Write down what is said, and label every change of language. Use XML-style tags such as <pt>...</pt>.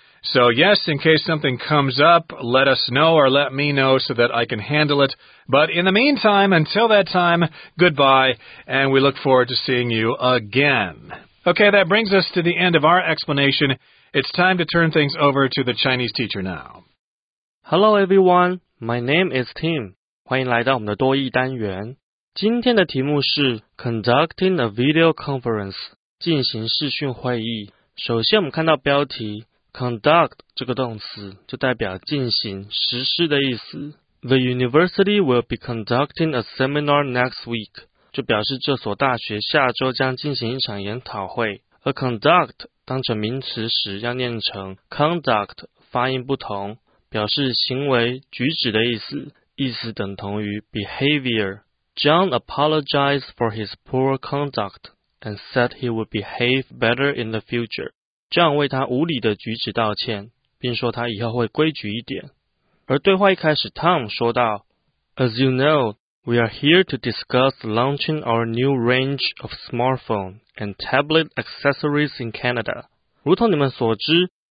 <en>So, yes, in case something comes up, let us know or let me know so that I can handle it. But in the meantime, until that time, goodbye, and we look forward to seeing you again. Okay, that brings us to the end of our explanation. It's time to turn things over to the Chinese teacher now. Hello everyone, my name is Tim.</en> <zh>欢迎来到我们的多益单元。今天的题目是</zh> <en>Conducting a video conference,</en> <zh>进行视讯会议。首先我们看到标题 Conduct 这个动词就代表进行实施的意思。</zh> <en>The university will be conducting a seminar next week,</en> <zh>就表示这所大学下周将进行一场研讨会。 A conduct 当成名词时要念成 conduct, 发音不同。表示行为、举止的意思，意思等同于 behavior.</zh> <en>John apologized for his poor conduct and said he would behave better in the future.</en> <zh>John 为他无理的举止道歉，并说他以后会规矩一点。而对话一开始</zh> <en>，Tom</en> <zh>说道</zh> <en>：“As you know, we are here to discuss launching our new range of smartphone and tablet accessories in Canada.”</en> <zh>如同你们所知。</zh>